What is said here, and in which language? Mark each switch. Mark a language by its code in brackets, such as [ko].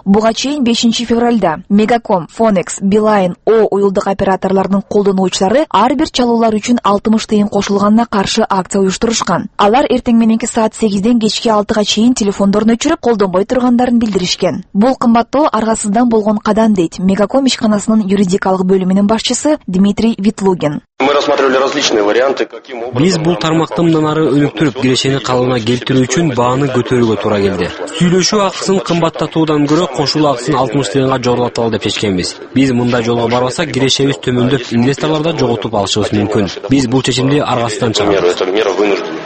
[ky] Буга чейин 5-февралда Мегаком, Фонекс, Билайн, О уюлдук операторлордун колдонуучулары ар бир чалуулар үчүн 60 тыйын кошулганына каршы акция уюштурушкан. Алар эртең мененки саат 8:00 кечки 6:00 чейин телефондорун өчүрүп колдонбой тургандарын билдиришкен. Бул кымбаттоо аргасыздан болгон кадам дейт Мегаком ишканасынын юридикалык бөлүмүнүн башчысы Дмитрий Витлугин. [ru] Мы рассматривали различные варианты, каким образом. [ky] Биз бул тармакты мындан ары өнүктүрүп, кирешени калыбына келтирүү үчүн бааны көтөрүүгө туура келди. Сүйлөшүү акысын кымбаттатуудан көрө кошулу акысын 60 тыйынга жогорулаталы деп чечкенбиз. Биз мындай жолго барбасак, кирешебиз төмөндөп, инвесторлорду жоготуп алышыбыз мүмкүн. Биз бул чечимди аргасыздан чыгарабыз.